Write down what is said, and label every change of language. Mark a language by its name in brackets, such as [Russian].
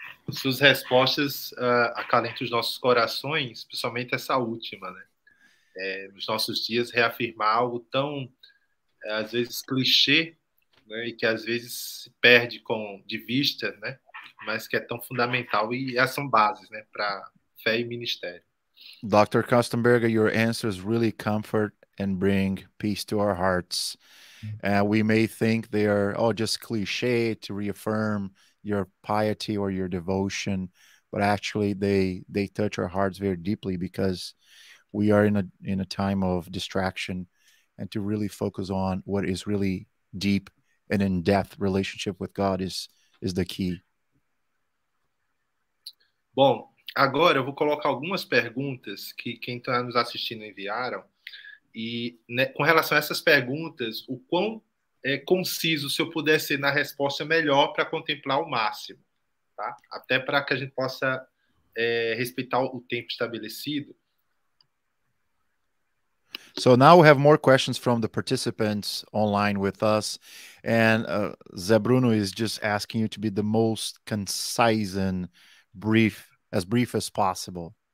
[Portuguese] Suas respostas acalentam os nossos corações, principalmente essa última, né? Nos nossos dias, reafirmar algo tão, às vezes, clichê, né, e que às vezes se perde de vista, né, mas que é tão fundamental, e essas são bases, né, para fé e ministério. [English] Dr. Köstenberger, your answers really comfort and bring peace to our hearts. We may think they are all just cliché to reaffirm your piety or your devotion, but actually they touch our hearts very deeply, because we are in a time of distraction, and to really focus on what is really deep and in-depth relationship with God is the key. [Portuguese] Bom, agora eu vou colocar algumas perguntas que quem está nos assistindo enviaram. E, né, com relação a essas perguntas, o quão conciso, se eu puder ser na resposta, melhor para contemplar o máximo, tá? Até para que a gente possa respeitar o tempo estabelecido. [English] So now we have more questions from the participants online with us. And Zé Bruno is just asking you to be the most concise and brief as possible.